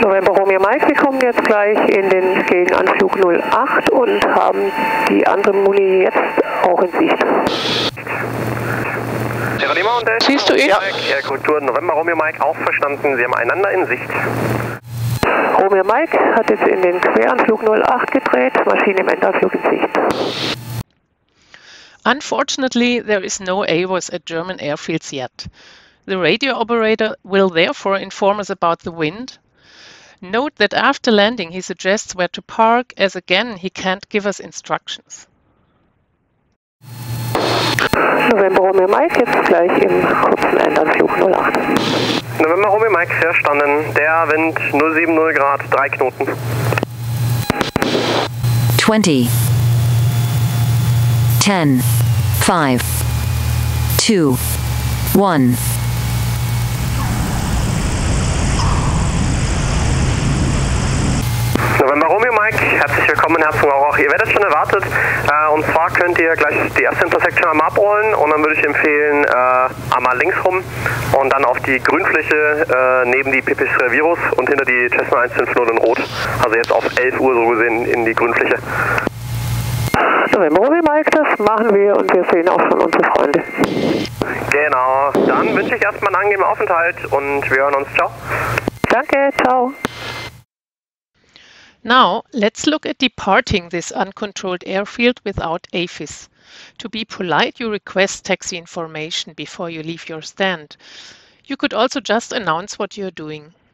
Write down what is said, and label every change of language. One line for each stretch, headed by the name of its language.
German: November Romeo Mike, wir kommen jetzt gleich in den Gegenanflug 08 und haben die andere Muni jetzt auch in Sicht. Sierra Lima und Delta. Siehst du ihn? Ja. Kultur November Romeo Mike, auch verstanden. Sie haben einander in Sicht. Romeo Mike hat jetzt in den Queranflug 08 gedreht, Maschine im Endanflug in Sicht.
English: Unfortunately, there is no AWOS at German airfields yet. The radio operator will therefore inform us about the wind. Note that after landing, he suggests where to park, as again, he can't give us instructions.
German: November Romeo Mike, jetzt gleich im kurzen Endanflug 08. November Romeo Mike, verstanden. Der Wind 070 Grad, 3 Knoten. 20. 10, 5, 2, 1. November Romeo Mike, herzlich willkommen in Herzogenaurach. Ihr werdet schon erwartet und zwar könnt ihr gleich die erste Intersection einmal abrollen und dann würde ich empfehlen, einmal links rum und dann auf die Grünfläche neben die PP-Virus und hinter die Cessna 150 in Rot. Also jetzt auf 11 Uhr so gesehen in die Grünfläche. November Romeo Mike, das machen wir und wir sehen auch schon unsere Freunde. Genau, dann wünsche ich erstmal einen angenehmen Aufenthalt und wir hören uns. Ciao. Danke, ciao.
English: Now, let's look at departing this uncontrolled airfield without AFIS. To be polite, you request taxi information before you leave your stand. You could also just announce what you're doing.